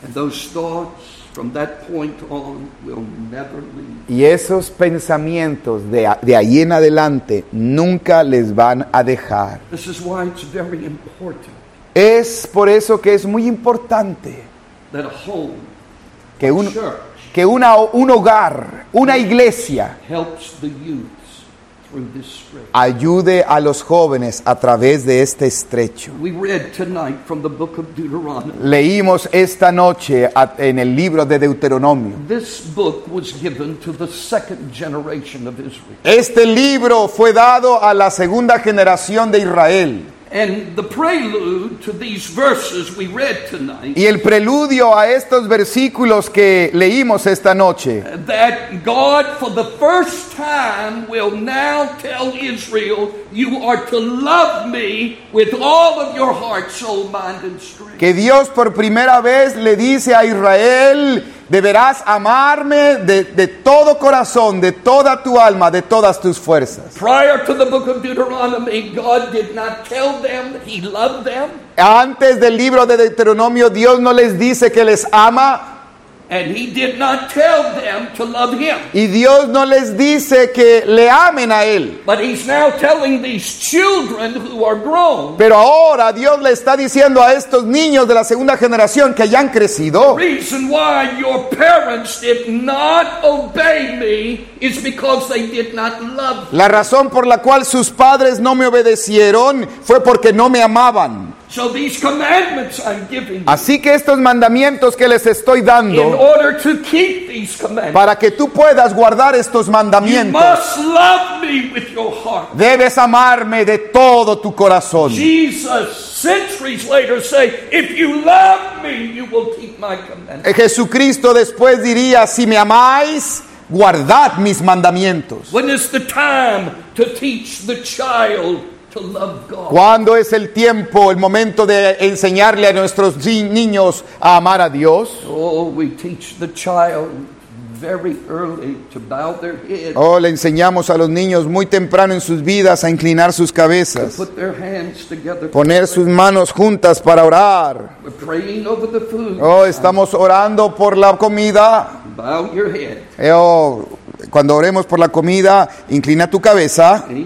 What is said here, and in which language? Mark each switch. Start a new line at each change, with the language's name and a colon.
English: And those thoughts from that point on will never leave.
Spanish: Y esos pensamientos de ahí en adelante nunca les van a dejar.
English: This is why it's very important.
Spanish: Es por eso que es muy importante
English: that a home,
Spanish: que un hogar, una iglesia
English: helps the youths
Spanish: Ayude a los jóvenes a través de este estrecho.
English: We read tonight from the book of Deuteronomy.
Spanish: Leímos esta noche en el libro de Deuteronomio.
English: This book was given to the second generation of Israel.
Spanish: Este libro fue dado a la segunda generación de Israel.
English: And the prelude to these verses we read tonight.
Spanish: Y el preludio a estos versículos que leímos esta noche.
English: That God for the first time will now tell Israel, you are to love me with all of your heart, soul, mind and strength.
Spanish: Que Dios por primera vez le dice a Israel, deberás amarme de todo corazón, de toda tu alma, de todas tus fuerzas.
English: Prior to the book of Deuteronomy, God did not tell them that he loved them.
Spanish: Antes del libro de Deuteronomio, Dios no les dice que les ama.
English: And he did not tell them to love him.
Spanish: Y Dios no les dice que le amen a él.
English: But he's now telling these children who are grown.
Spanish: Pero ahora Dios le está diciendo a estos niños de la segunda generación que ya han crecido.
English: The reason why your parents did not obey me is because they did not love me.
Spanish: La razón por la cual sus padres no me obedecieron fue porque no me amaban.
English: So these commandments I'm giving you.
Spanish: Así que estos mandamientos que les estoy dando.
English: In order to keep these commandments.
Spanish: Para que tú puedas guardar estos mandamientos.
English: You must love me with your heart.
Spanish: Debes amarme de todo tu corazón.
English: Jesus centuries later say, if you love me, you will keep my commandments.
Spanish: Jesucristo después diría, si me amáis, guardad mis mandamientos.
English: When is the time to teach the child? To love God.
Spanish: ¿Cuándo es el tiempo, el momento de enseñarle a nuestros niños a amar a Dios?
English: Oh, we teach the child very early to bow their head.
Spanish: Oh, le enseñamos a los niños muy temprano en sus vidas a inclinar sus cabezas.
English: To put their hands together.
Spanish: Poner sus manos juntas para orar.
English: We're praying over the food.
Spanish: Oh, estamos orando por la comida.
English: Bow your head.
Spanish: Oh, cuando oremos por la comida, inclina tu cabeza.